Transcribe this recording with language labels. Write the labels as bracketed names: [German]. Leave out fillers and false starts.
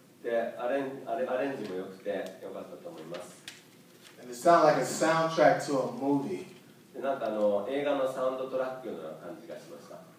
[Japanese] で、アレンジも良くて良かったと思います。 [English] And it sounded like a soundtrack to a movie. [Japanese] で、なんか映画のサウンドトラックような感じがしました。